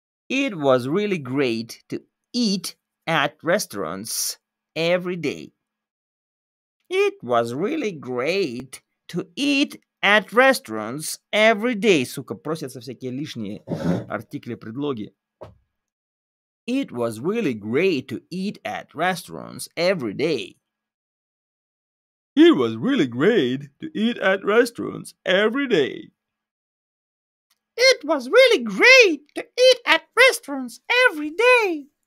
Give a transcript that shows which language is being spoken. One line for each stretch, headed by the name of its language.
English: It was really great to eat at restaurants every day. It was really great to eat at restaurants every day.
Russian: Сука, просятся всякие лишние артикли, предлоги.
English: It was really great to eat at restaurants every day. It was really great to eat at restaurants every day. It was really great to eat at restaurants every day.